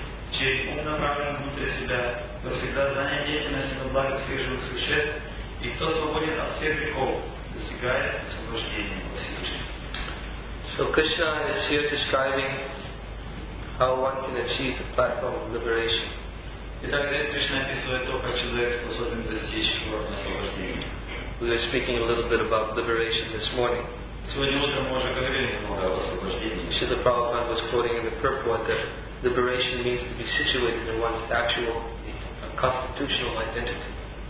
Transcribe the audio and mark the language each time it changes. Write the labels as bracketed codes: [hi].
[ru] Чей ум направлен внутрь себя, кто всегда занят деятельностью на благо всех живых существ, и кто свободен от всех грехов, достигает освобождения от [en] So Krishna is here describing how one can achieve the platform of liberation. [ru] Итак, здесь Кришна описывает то, как человек способен достичь уровня освобождения. [en] We were speaking a little bit about liberation this morning. [ru] Сегодня утром мы уже говорили немного об освобождении. [en] Srila Prabhupada was quoting in the purport that liberation means to be situated in one's actual constitutional identity.